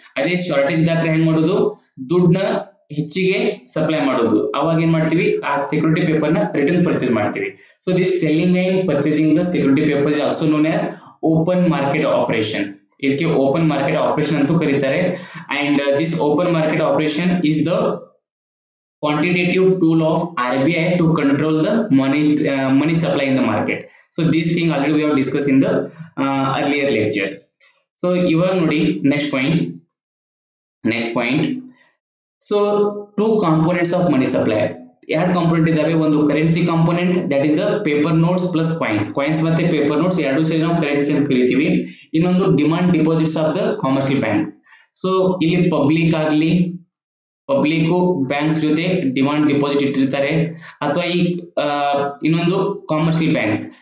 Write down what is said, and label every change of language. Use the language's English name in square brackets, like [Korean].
[Kannada] ಅದೇ ಶಾರ್ಟೇಜ್ ಇದ್ದಾಗ ಹೆಂಗ್ ಮಾಡೋದು, ದುಡ್ಡನ್ನ ಹೆಚ್ಚಿಗೆ ಸಪ್ಲೈ ಮಾಡೋದು. ಅವಾಗ ಏನ್ ಮಾಡ್ತೀವಿ, ಆ ಸೆಕ್ಯೂರಿಟಿ ಪೇಪರ್ನ ರಿಟರ್ನ್ ಪರ್ಚೇಸ್ ಮಾಡ್ತೀವಿ. [English] So this selling and purchasing the security paper is also known as open market operations. [Kannada] ಇದಕ್ಕೆ ಓಪನ್ ಮಾರ್ಕೆಟ್ ಆಪರೇಷನ್ ಅಂತೂ ಕರೀತಾರೆ. [English] And this open market operation is the quantitative tool of RBI to control the money supply in the market. So this thing already we have discussed in the earlier lectures. So you are noting next point. So two components of money supply. [Kannada] ಎರಡು component ಇದಾವೆ, ಒಂದು currency component, [English] That is the paper notes plus coins. [Kannada] Coins ಮತ್ತೆ paper notes ಎರಡು ಸೇರಿ ನಾವು currency ಅಂತ ಕರಿತೀವಿ. ಇನ್ನೊಂದು [English] Demand deposits of the commercial banks. [Kannada] So ಇಲ್ಲಿ ಪಬ್ಲಿಕ್ ಆಗಲಿ ಪಬ್ಲಿಕ್ ಬ್ಯಾಂಕ್ಸ್ ಜೊತೆ ಡಿಮಾಂಡ್ ಡಿಪಾಸಿಟ್ ಇಟ್ಟಿರ್ತಾರೆ, ಅಥವಾ ಈ ಇನ್ನೊಂದು ಕಾಮರ್ಷಿಯಲ್ ಬ್ಯಾಂಕ್ಸ್.